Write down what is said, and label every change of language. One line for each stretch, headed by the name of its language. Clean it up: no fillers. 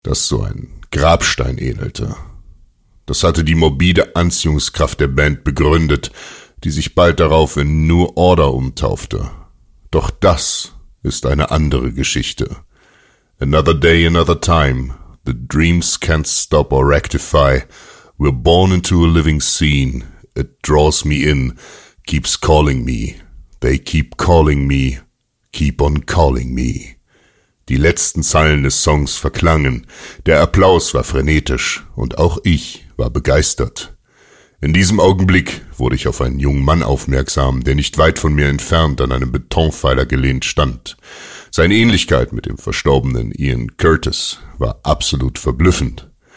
German: das so ein Grabstein ähnelte. Das hatte die morbide Anziehungskraft der Band begründet, die sich bald darauf in New Order umtaufte. Doch das ist eine andere Geschichte.
English: Another day, another time. The dreams can't stop or rectify. We're born into a living scene. It draws me in, keeps calling me. They keep calling me, keep on calling me.
German: Die letzten Zeilen des Songs verklangen. Der Applaus war frenetisch und auch ich war begeistert. In diesem Augenblick wurde ich auf einen jungen Mann aufmerksam, der nicht weit von mir entfernt an einem Betonpfeiler gelehnt stand. Seine Ähnlichkeit mit dem verstorbenen Ian Curtis war absolut verblüffend.